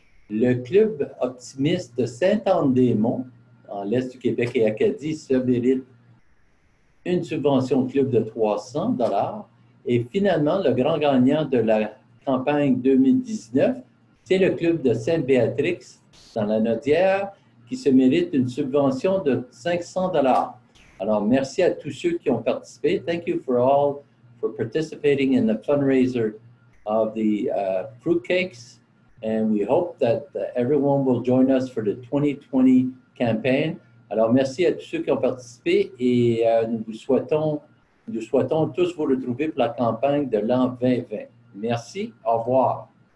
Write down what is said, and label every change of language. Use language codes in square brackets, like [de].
[fr] Le club optimiste de Saint-Anne-des-Monts, en l'Est du Québec et Acadie, se mérite une subvention club de 300 $. Et finalement, le grand gagnant de la campagne 2019, c'est le club de Sainte-Béatrix dans la Naudière qui se mérite une subvention de 500 $. Alors, merci à tous ceux qui ont participé. [en] Thank you for all for participating in the fundraiser of the fruitcakes. And we hope that everyone will join us for the 2020 campaign. [fr] Alors, merci à tous ceux qui ont participé et nous souhaitons tous vous retrouver pour la campagne de l'an 2020. Merci, au revoir.